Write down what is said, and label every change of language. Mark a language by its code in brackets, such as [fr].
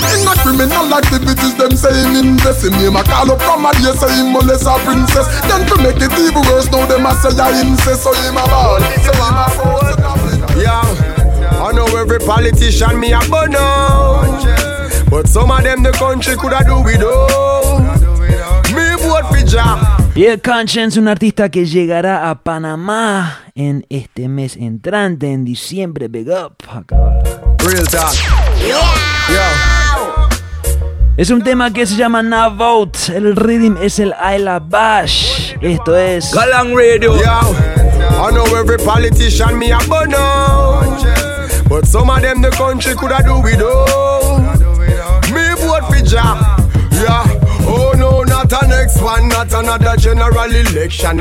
[en] In a criminal activities them say him invest. Him him a call up from a day say him molest a princess. Then to make it even worse now them a say a incest. So him a ball, so him a person of interest. Yeah, I know every politician me a burn out, but some of them the country could a do without. Me vote for Jah. [es] Y el Conscience, un artista que llegará a Panamá en este mes entrante, en diciembre. [en] Big up, acabar. Real talk. Yeah. Yeah. [es] Es un tema que se llama Na Vote. El rhythm es el Ayla Bash. Esto es Galang Radio. [en] Yeah. I know every politician me a burn out, but some of them the country could a do without. Me vote for Jah. Yeah. Oh no, not an next one, not another general election.